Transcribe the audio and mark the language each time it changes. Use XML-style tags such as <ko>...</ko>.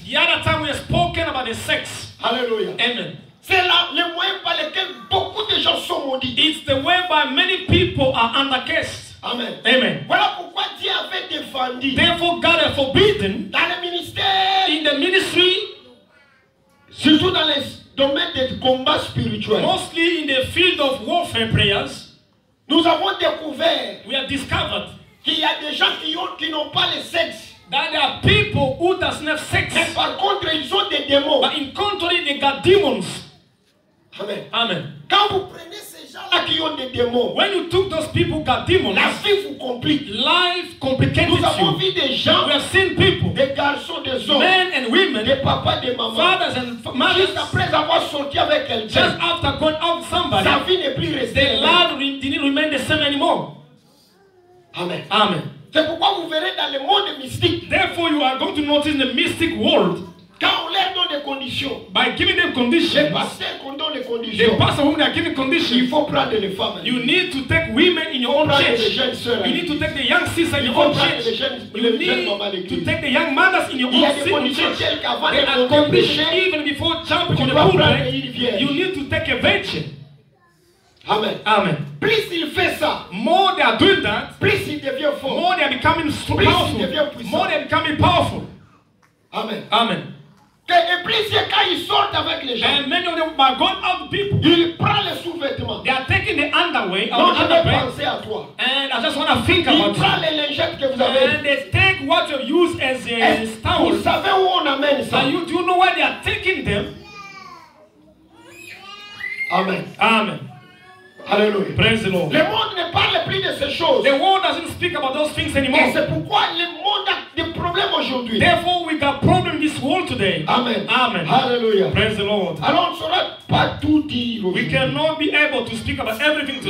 <en>The other time we have spoken about the sex. Hallelujah. Amen.</en> <fr>C'est là le moyen par lequel beaucoup de gens sont maudits.</fr> <en>It's the way by many people are under cursed. Amen. Amen.</en> <fr>Voilà pourquoi Dieu avait défendu.</fr> <en>Therefore, God has forbidden.</en> <fr>Dans le ministère.</fr> <en>In the ministry.</en> <fr>Surtout dans les domaines des combats spirituels.</fr> <en>Mostly in the field of warfare prayers.</en> <fr>Nous avons découvert.</fr> <en>We have discovered.</en> <fr>Qu'il y a des gens qui n'ont pas le sexe.</fr> <en>That there are people who does not sex.</en> <fr>Mais par contre, ils ont des démons.</fr> <en>But in contrary, they got demons. Amen. Amen.</en> <fr>Quand vous prenez ces gens-là qui ont des démons,</fr> <en>when you took those people got demons,</en> <fr>la vie vous complique.</fr> <en>Life complicated</en> <fr>you. Nous avons vu des gens.</fr> <en>We have seen people.</en> <fr>Des garçons, des hommes.</fr> <en>Men and women.</en> <fr>Des papas, des mamans.</fr> <en>Fathers and mothers.</en> <fr>Juste après avoir sorti avec quelqu'un.</fr> <en>Just after going out with somebody.</en> <fr>Sa vie n'est plus restée.</fr> <en>Their life didn't remain the same anymore. Amen. Amen.</en> <fr>C'est pourquoi vous verrez dans le monde mystique.</fr> <en>Therefore, you are going to notice in the mystic world.</en> <fr>Quand on leur donne des conditions.</fr> <en>By giving them conditions.</en> <fr>Les pasteurs qu'on donne des conditions.</fr> <en>The pastor whom they are giving conditions.</en> <fr>Il faut prendre les femmes.</fr> <en>You need to take women in your own</en> <fr>prendre</fr> <en>church.</en> <fr>Les jeunes soeurs.</fr> <en>You need to take the young sisters in</en> <fr>il</fr> <en>your own church.</en> <fr>Les jeunes,</fr> <en>you need to take the young mothers in your own church. There are conditions even before jumping on the pulpit. You need to take a virgin. Amen. Amen.</en> <fr>Plus il fait ça,</fr> <en>more they are doing that,</en> <fr>plus il devient fort,</fr> <en>more they are becoming powerful, more they are becoming powerful. Amen. Amen.</en> <fr>Et plus quand ils sortent avec les gens,</fr> <en>and many of them by going out people,</en> <fr>ils prennent les sous-vêtements,</fr> <en>they are taking the underwear,</en> <fr>non, je vais penser à toi,</fr> <en>and I just want to think about</en> <fr>it. Ils prennent les lingettes que vous avez,</fr> <en>and they take what you use as a towel.</en> <fr>Vous savez où on amène ça?</fr> <en>And you do you know where they are taking them? Amen. Amen. Hallelujah. Praise the Lord.</en> <fr>Le monde ne parle plus de ces choses.</fr> <en>The world doesn't speak about those things anymore.</en> <fr>Et c'est pourquoi le monde a des problèmes aujourd'hui.</fr> <en>Therefore, we got problem this world today. Amen. Amen. Hallelujah. Praise the Lord.</en> <fr>Alors, on ne saura pas tout dire aujourd'hui.</fr> <en>We cannot be able to speak about everything today.</en>